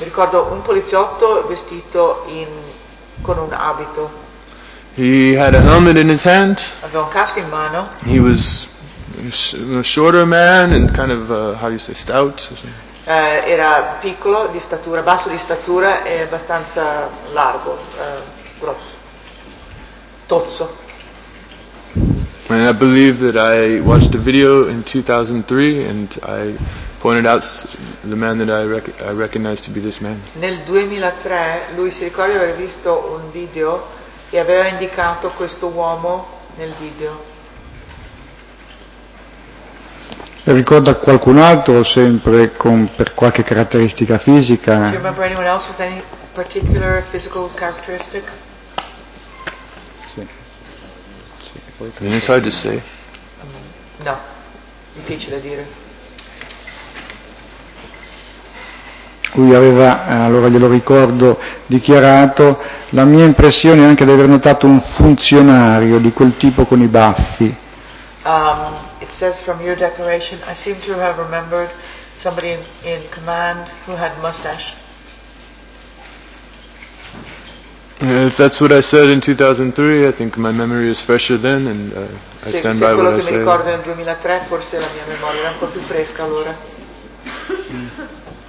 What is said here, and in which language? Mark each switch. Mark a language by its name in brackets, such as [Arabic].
[Italian] Mi ricordo un poliziotto vestito in con un abito. [English] He had a helmet in his hand. [Italian] Aveva un casco in mano. [English] He was a shorter man and kind of how do you say stout or something. [Italian] Era piccolo di statura, basso di statura e abbastanza largo, grosso. Tozzo. [English] And I believe that I watched a video in 2003 and I pointed out the man that I recognized to be this man. [Italian] Nel 2003 lui si ricorda di aver visto un video e aveva indicato questo uomo nel video. Ricorda qualcun altro sempre con per qualche caratteristica fisica? [English] Do you remember anyone else with any particular physical characteristic? I mean, it's hard to say. [Italian] No, difficile dire. Lui aveva, allora glielo ricordo, dichiarato la mia impressione è anche di aver notato un funzionario di quel tipo con i baffi. [English] It says from your declaration, I seem to have remembered somebody in command who had mustache. If that's what I said in 2003, I think my memory is fresher then, and I stand by what I say. [Italian] Se quello che mi ricordo nel 2003, forse la mia memoria era un po' più fresca allora.